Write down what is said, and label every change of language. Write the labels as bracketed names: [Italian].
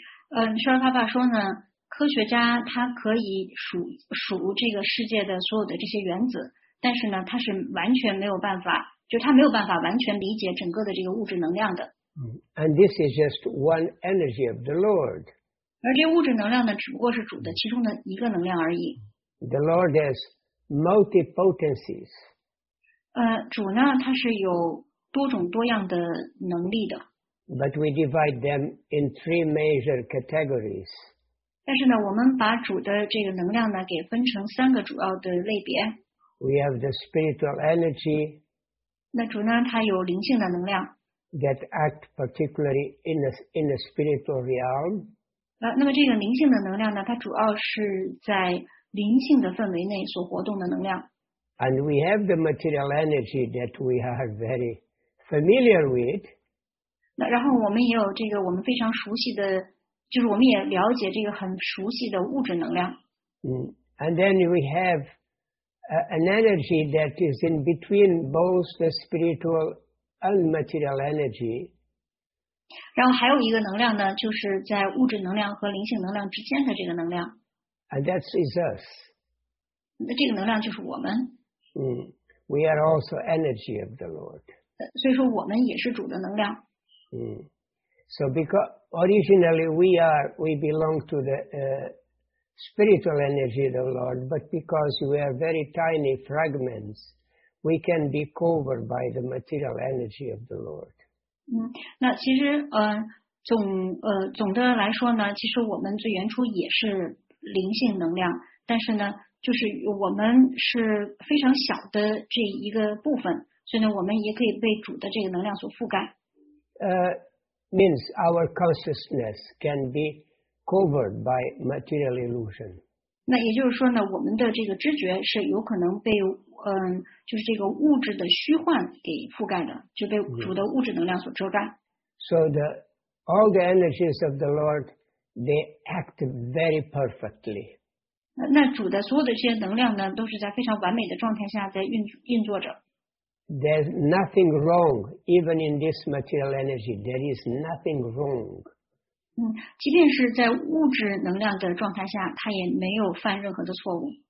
[Chinese] Srila Prabhupada 说呢，科学家他可以数这个世界的所有的这些原子，但是呢，他是完全没有办法，就他没有办法完全理解整个的这个物质能量的。 [English] And this is just one energy of the Lord. [Chinese] 而这物质能量呢，只不过是主的其中的一个能量而已。 [English] The Lord has multipotencies. [Chinese] 主呢，他是有多种多样的能力的。 [English] But we divide them in three major categories. [Chinese] 但是呢，我们把主的这个能量呢，给分成三个主要的类别。 [English] We have the spiritual energy. [Chinese] 那主呢？他有灵性的能量。 [English] That act particularly in the spiritual realm. [Chinese] 那么这个灵性的能量呢？它主要是在灵性的氛围内所活动的能量。 [English] And we have the material energy that we are very familiar with. [Chinese] 那然后我们也有这个我们非常熟悉的，就是我们也了解这个很熟悉的物质能量。 [English] And then we have an energy that is in between both the spiritual and material energy. [Chinese] 然后还有一个能量呢，就是在物质能量和灵性能量之间的这个能量。 [English] And that is us. [Chinese] 那这个能量就是我们。 [English] We are also energy of the Lord. [Chinese] 所以说我们也是主的能量。 [English] So because originally we belong to the spiritual energy of the Lord, but because we are very tiny fragments, we can be covered by the material energy of the Lord. [Chinese] 那其实总的来说呢，其实我们最原初也是灵性能量，但是呢，就是我们是非常小的这一个部分，所以呢，我们也可以被主的这个能量所覆盖。 [English] Means our consciousness can be covered by material illusion. [Chinese] 那也就是说呢，我们的这个知觉是有可能被就是这个物质的虚幻给覆盖的，就被主的物质能量所遮盖。 [English] So all the energies of the Lord, they act very perfectly. [Chinese] 那主的所有的这些能量呢，都是在非常完美的状态下在运作着。 [English] There's nothing wrong, even in this material energy. There is nothing wrong. [Chinese] 即便是在物质能量的状态下，它也没有犯任何的错误。